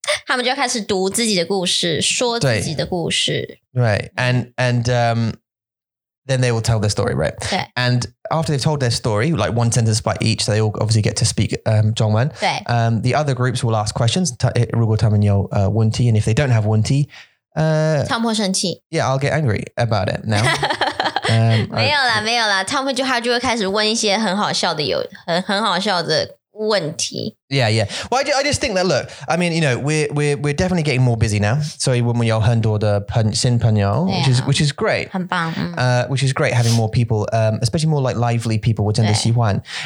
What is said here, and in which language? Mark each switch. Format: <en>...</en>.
<zh>他们就开始读自己的故事，说自己的故事。</zh> <en>Right. And then they will tell their story, right? And after they've told their story, like one sentence by each, they all obviously get to speak 中文. The other groups will ask questions. 如果他们有问题, and if they don't have 问题,</en> <zh>他们会生气.</zh> <en>Yeah, I'll get angry about it now.</en> <zh>没有啦。他们就会开始问一些很好笑的问题。</zh> <en>Yeah, yeah. Well, I just think that, look, I mean, you know, we're definitely getting more busy now. So when we have</en> <zh>很多的新朋友,</zh> <en>which is great.</en> <zh>很棒。</zh> <en>Which is great having more people, especially more like lively people,</en> <zh>我真的喜欢。</zh>